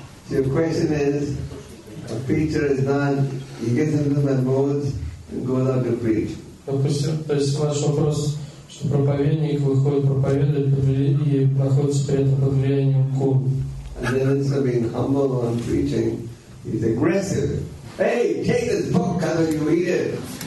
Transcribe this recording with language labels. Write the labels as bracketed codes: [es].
[en] Your question is, a preacher is not, he gets into that mode and goes out to preach. [ru] То есть ваш вопрос, что проповедник выходит проповедовать и находится при этом под влиянием кун. [en] And then instead of being humble on preaching, he's aggressive. Hey, take this book, how do you read it?